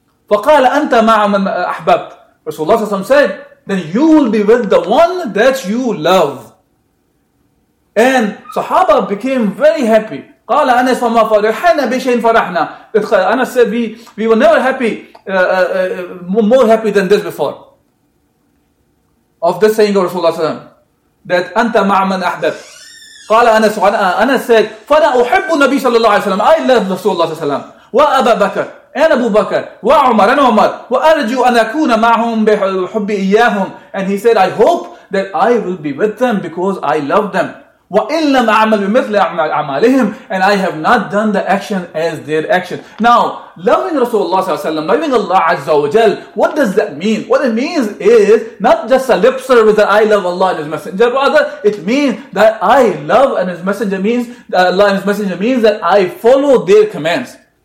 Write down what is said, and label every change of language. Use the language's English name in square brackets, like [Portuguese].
[Arabic] فَقَالَ أَنْتَ مَعَ مَنْ أَحْبَبْتَ. [English] Rasulullah صلى الله عليه وسلم said, then you will be with the one that you love. And Sahaba became very happy. [Arabic] قَالَ أَنَسْ فَمَا فَرِحَنَا بِشَيْنْ فَرَحْنَا. [English] Anas said, we were never happy, more happy than this before. Of this saying of Rasulullah صلى الله عليه وسلم, that [Arabic] أَنْتَ مَعَ مَنْ أَحْبَبْتَ. قال أنس أنا [English] said [Arabic] فأنا أحب النبي صلى الله عليه وسلم. [English] I love [Arabic] رسول الله صلى الله عليه وسلم وأبا بكر أنا أبو بكر وعمر أنا عمر وأرجو أن أكون معهم بحب إياهم. [English] And he said, I hope that I will be with them because I love them. [Arabic] وإن لم أعمل بمثل أعمالهم. [English] And I have not done the action as their action. Now, loving رسول الله صلى الله عليه وسلم, loving Allah عز وجل, what does that mean? What it means is not just a lip service that I love Allah and His Messenger, rather it means that I love and His Messenger means that Allah and His Messenger means that I follow their commands.